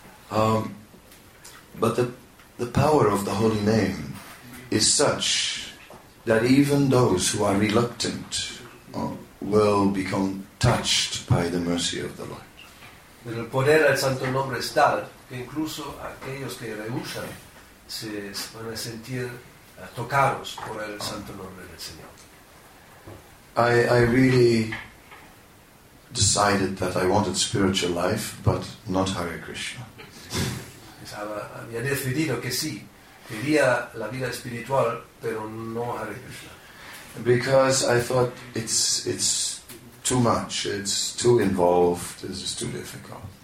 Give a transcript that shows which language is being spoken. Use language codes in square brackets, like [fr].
[en] But the power of the holy name is such that even those who are reluctant will become touched by the mercy of the Lord. [es] Pero el poder del Santo Nombre es tal que incluso aquellos que rehusan se van a sentir tocados por el Santo Nombre del Señor. [en] I really decided that I wanted spiritual life, but not Hare Krishna. [es] Había decidido que sí, quería la vida espiritual, pero no Hare Krishna. [en] Because I thought it's too much, it's too involved, this is too difficult.